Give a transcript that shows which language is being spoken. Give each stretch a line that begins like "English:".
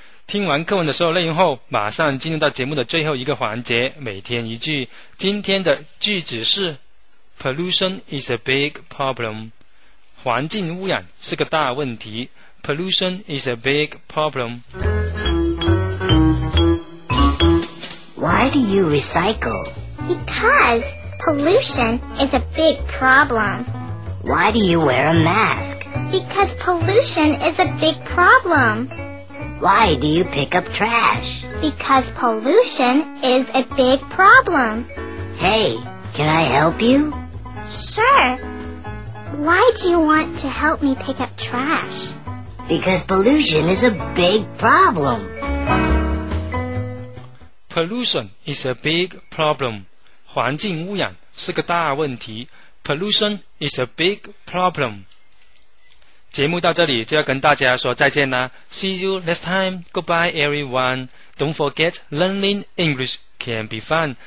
Chinese: 听完课文的所有内容后马上进入到节目的最后一个环节每天一句今天的句子是
English: Pollution is a big problem
Chinese: 环境污染是个大问题 Pollution is a big problem
English: Why do you recycle? Because pollution is a big problem Why do you wear a mask? Because pollution is a big problem Why do you pick up trash? Because pollution is a big problem. Hey, can I help you? Sure. Why do you want to help me pick up trash? Because pollution is a big problem. Pollution is a big problem.
Chinese: 环境污染是个大问题。
English: Pollution is a big problem.
Chinese: 节目到这里就要跟大家说再见啦。
English: See you next time. Goodbye, everyone. Don't forget, learning English can be fun.